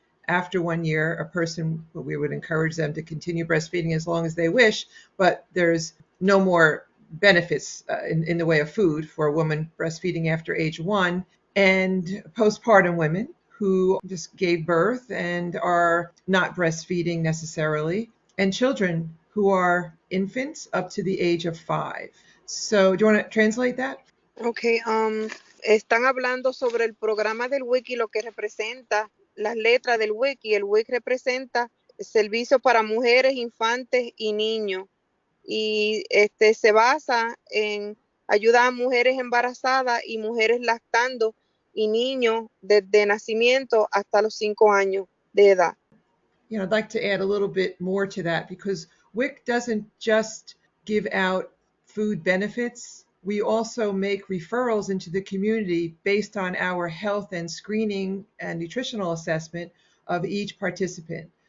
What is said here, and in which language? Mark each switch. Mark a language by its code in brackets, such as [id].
[en] After 1 year, a person, we would encourage them to continue breastfeeding as long as they wish, but there's no more benefits in the way of food for a woman breastfeeding after age one, and postpartum women who just gave birth and are not breastfeeding necessarily, and children who are infants up to the age of five. So do you want to translate that? Okay. [es] Están hablando sobre el programa del WIC y lo que representa las letras del WIC, y el WIC representa servicio para mujeres, infantes y niños. Y se basa en ayudar a mujeres embarazadas y mujeres lactando y niños desde nacimiento hasta los 5 años de edad. [en] You know, I'd like to add a little bit more to that because WIC doesn't just give out food benefits. We also make referrals into the community based on our health and screening and nutritional assessment of each participant.